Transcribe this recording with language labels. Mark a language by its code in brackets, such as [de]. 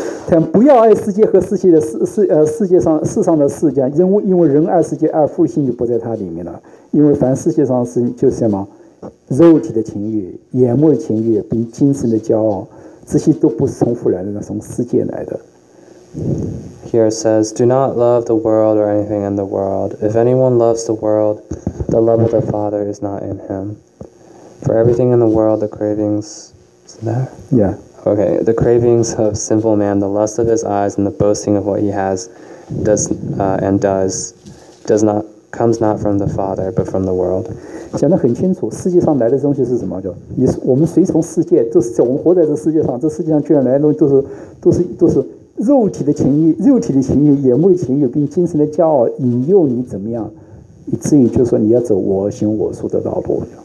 [zh] 但不要爱世界和世界的世上的事，因为人爱世界，爱父心就不在他里面了。因为凡世界上的事，就是什么肉体的情欲、眼目的情欲，并精神的骄傲，这些都不是从父来的，从世界来的。 [en] Here it says, do not love the world or anything in the world. If anyone loves the world, the love of the Father is not in him. For everything in the world, the cravings... Is it there? Yeah. Okay, the cravings of sinful man, the lust of his eyes, and the boasting of what he has does not comes not from the Father, but from the world. [zh] 讲得很清楚，世界上来的东西是什么？我们随从世界，就是我们活在这世界上，这世界上居然来的东西都是肉体的情欲，眼目的情欲，并精神的骄傲，引诱你怎么样，以至于就是说你要走我行我素的道路。